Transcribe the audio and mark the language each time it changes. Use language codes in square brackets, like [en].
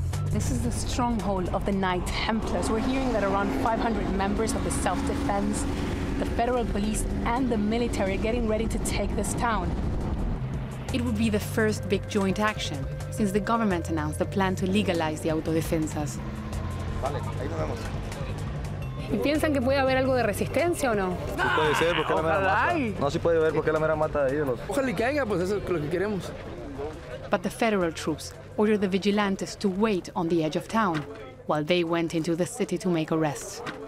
[en] This is the stronghold of the Knights Templars. We're hearing that around 500 members of the self-defense, the federal police, and the military are getting ready to take this town. It would be the first big joint action since the government announced the plan to legalize the autodefensas. [es] Vale, ahí nos vemos. ¿Y piensan que puede haber algo de resistencia o no? Sí puede ser, porque es la mera mata. No, sí puede haber, porque es la mera mata de ellos. Ojalá y caiga, pues eso es lo que queremos. [en] But the federal troops ordered the vigilantes to wait on the edge of town while they went into the city to make arrests.